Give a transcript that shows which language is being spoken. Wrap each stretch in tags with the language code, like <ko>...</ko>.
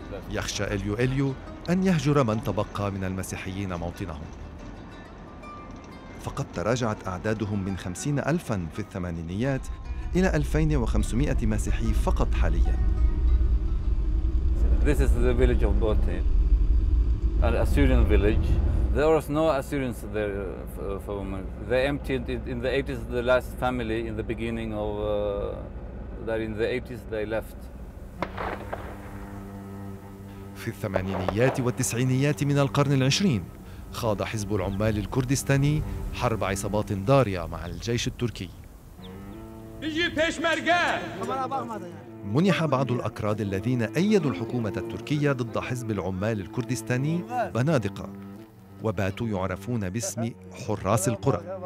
<ar>يخشى إليو إليو أن يهجر من تبقى من المسيحيين موطنهم، فقد تراجعت أعدادهم من 50,000 في الثمانينيات إلى 2,500 مسيحي فقط حالياً.</ar> <en>This is the village of Bote, an Assyrian village. There was no Assyrians there for a moment. They emptied it in the 80s. The last family in the beginning of that in the 80s they left.</en> <ar>في الثمانينيات والتسعينيات من القرن العشرين خاض حزب العمال الكردستاني حرب عصابات دارية مع الجيش التركي. منح بعض الأكراد الذين أيدوا الحكومة التركية ضد حزب العمال الكردستاني بنادق، وباتوا يعرفون باسم حراس القرى.</ar>